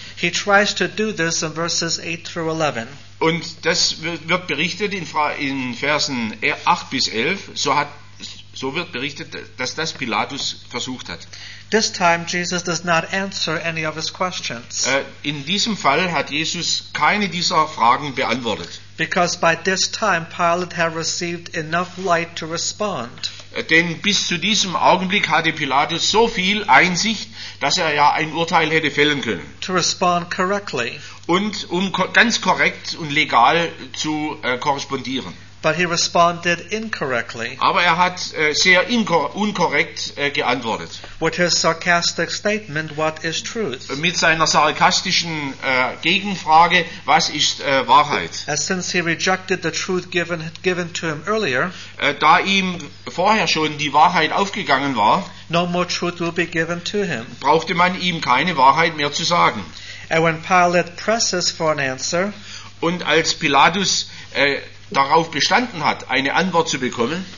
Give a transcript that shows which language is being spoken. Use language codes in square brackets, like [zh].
[en] He tries to do this in verses 8 through 11. [de] Und das wird berichtet in Versen 8 bis 11. So wird berichtet, dass das Pilatus versucht hat. [en] This time Jesus does not answer any of his questions. [de] In diesem Fall hat Jesus keine dieser Fragen beantwortet. [en] Because by this time Pilate had received enough light to respond. [de] Denn bis zu diesem Augenblick hatte Pilatus so viel Einsicht, dass er ja ein Urteil hätte fällen können. [en] To respond correctly. [de] Und um ganz korrekt und legal zu korrespondieren. [en] But he responded incorrectly. [de] Aber er hat sehr unkorrekt geantwortet. [en] With his sarcastic statement, what is truth? [de] Mit seiner sarkastischen Gegenfrage, was ist Wahrheit? [en] As since he rejected the truth given to him earlier, [de] da ihm vorher schon die Wahrheit aufgegangen war, [en] no more truth will be given to him. [de] Brauchte man ihm keine Wahrheit mehr zu sagen. [en] And when Pilate presses for an answer, [de] und als Pilatus darauf bestanden hat, eine Antwort zu bekommen,